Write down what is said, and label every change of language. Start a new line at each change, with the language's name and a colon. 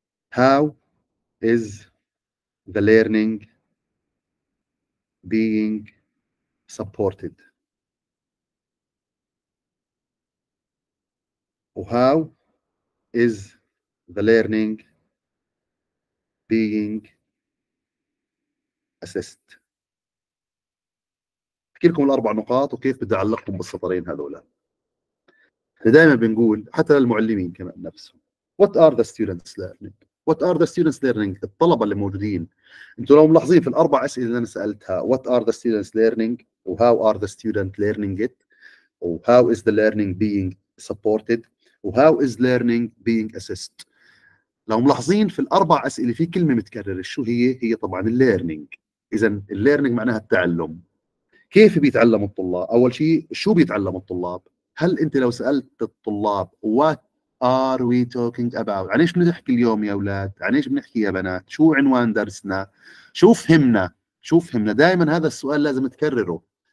English: how is the learning being supported, how is the learning being assessed.
Arabic: احكي لكم الاربع نقاط وكيف بدي اعلقهم بالسطرين هذولا. دائما بنقول حتى للمعلمين كمان نفسهم،
English: What are the students learning? What are the students learning?
Arabic: الطلبة اللي موجودين، انتوا لو ملاحظين في الأربع أسئلة اللي أنا سألتها،
English: What are the students learning? و How are the students learning it? و How is the learning being supported? و How is learning being assessed?
Arabic: لو ملاحظين في الأربع أسئلة في كلمة متكررة، شو هي؟ هي طبعاً learning. إذن learning معناها التعلم. كيف بيتعلم الطلاب؟ أول شيء شو بيتعلم الطلاب؟ هل انت لو سالت الطلاب
English: what are we talking about،
Arabic: عن ايش بنحكي اليوم يا اولاد، عن ايش بنحكي يا بنات، شو عنوان درسنا، شو فهمنا، دائما هذا السؤال لازم تكرره.